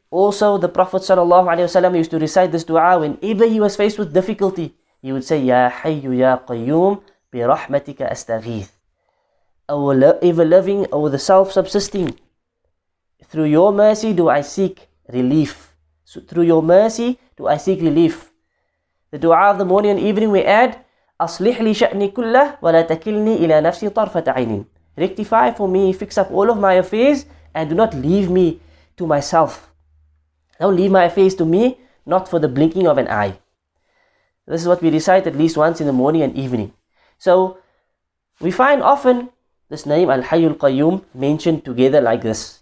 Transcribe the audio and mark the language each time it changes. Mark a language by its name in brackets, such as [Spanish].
[English] Also, the Prophet sallallahu alaihi wasallam used to recite this dua whenever he was faced with difficulty. He would say, [Arabic] Ya Hayyu Ya Qayyum, bi rahmatika astaghith. [English] O ever-living, O the self-subsisting, through your mercy do I seek relief. So through your mercy do I seek relief. The dua of the morning and evening we add, [Arabic] أصلح لي شأني كله ولا تكلني إلى نفسي طرفة عين. [English] Rectify for me, fix up all of my affairs, and do not leave me to myself. Don't leave my affairs to me, not for the blinking of an eye. This is what we recite at least once in the morning and evening. So we find often this name Al-Hayy Al-Qayyum mentioned together like this.